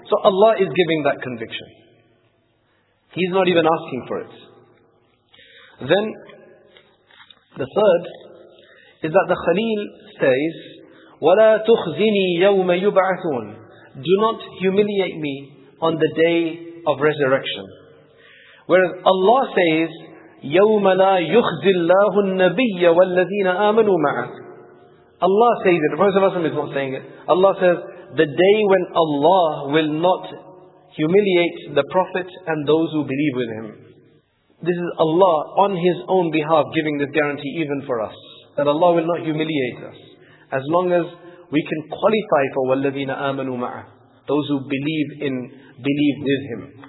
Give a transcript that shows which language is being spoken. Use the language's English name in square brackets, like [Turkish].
[English] So Allah is giving that conviction. He's not even asking for it. Then, the third is that the Khalil says, [Arabic] وَلَا تُخْزِنِي يَوْمَ يُبْعَثُونَ [English] Do not humiliate me on the day of resurrection. Whereas Allah says, [Arabic] يَوْمَ لَا يُخْزِ اللَّهُ النَّبِيَّ وَالَّذِينَ آمَنُوا مَعَهُ [English] Allah says it. The Prophet ﷺ is not saying it. Allah says, the day when Allah will not humiliate the Prophet and those who believe with him. This is Allah on his own behalf giving this guarantee even for us. That Allah will not humiliate us. As long as we can qualify for [Arabic] وَالَّذِينَ آمَنُوا مَعَهُ, [English] those who believe with him.